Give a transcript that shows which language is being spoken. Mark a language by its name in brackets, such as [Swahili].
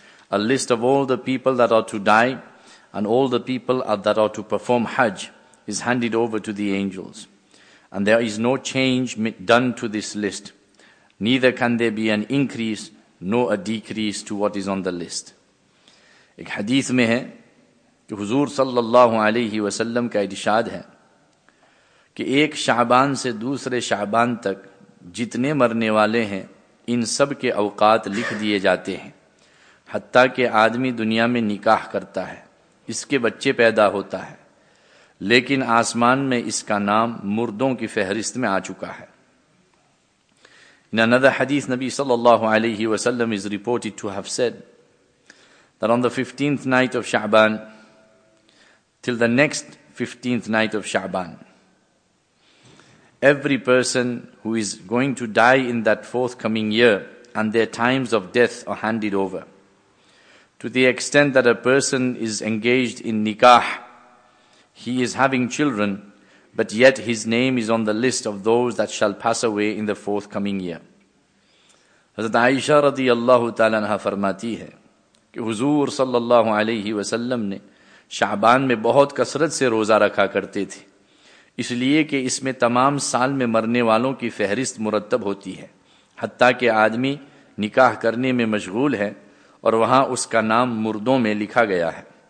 [English] A list of all the people that are to die and all the people that are to perform Hajj is handed over to the angels. And there is no change done to this list. Neither can there be an increase nor a decrease to what is on the list. [Urdu] Ek hadith mein hai کہ حضور صلی اللہ علیہ وسلم کا ارشاد ہے کہ ایک شعبان سے دوسرے شعبان تک جتنے مرنے والے ہیں ان سب کے اوقات لکھ دیے جاتے ہیں، حتیٰ کہ آدمی دنیا میں نکاح کرتا ہے، اس کے بچے پیدا ہوتا ہے، لیکن آسمان میں اس کا نام مردوں کی فہرست میں آ چکا ہے. [English] In another حدیث نبی صلی اللہ علیہ وسلم is reported to have said that on the 15th night of شعبان till the next 15th night of Sha'ban, every person who is going to die in that forthcoming year and their times of death are handed over. To the extent that a person is engaged in nikah, he is having children, but yet his name is on the list of those that shall pass away in the forthcoming year. [Urdu] Hazrat Aisha radiyallahu ta'ala anha farmati hai ki huzur sallallahu alayhi wa sallam ne شعبان میں بہت کثرت سے روزہ رکھا کرتے تھے، اس لیے کہ اس میں تمام سال میں مرنے والوں کی فہرست مرتب ہوتی ہے، حتیٰ کہ آدمی نکاح کرنے میں مشغول ہے اور وہاں اس کا نام مردوں میں لکھا گیا ہے.